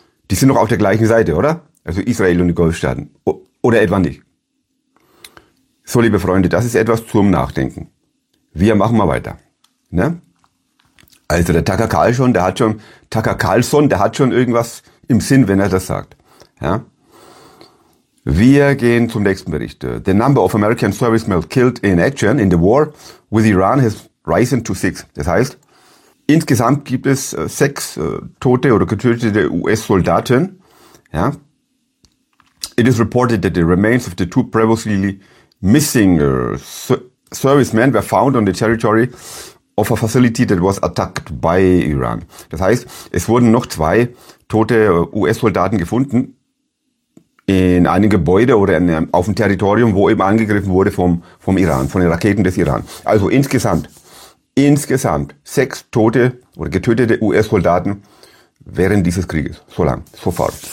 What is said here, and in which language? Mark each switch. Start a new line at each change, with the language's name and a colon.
German: Die sind doch auf der gleichen Seite, oder? Also Israel und die Golfstaaten. Oder etwa nicht. So, liebe Freunde, das ist etwas zum Nachdenken. Wir machen mal weiter. Ne? Also der Tucker Carlson, der hat schon irgendwas im Sinn, wenn er das sagt. Ja? Wir gehen zum nächsten Bericht.
English: The number of American servicemen killed in action in the war with Iran has risen to 6.
German: Das heißt, insgesamt gibt es 6 tote oder getötete US-Soldaten. Ja.
English: It is reported that the remains of the 2 previously missing servicemen were found on the territory of a facility that was attacked by Iran.
German: Das heißt, es wurden noch 2 tote US-Soldaten gefunden in einem Gebäude oder auf dem Territorium, wo eben angegriffen wurde vom Iran, von den Raketen des Iran. Also insgesamt 6 tote oder getötete US-Soldaten während dieses Krieges. So lang, so fort.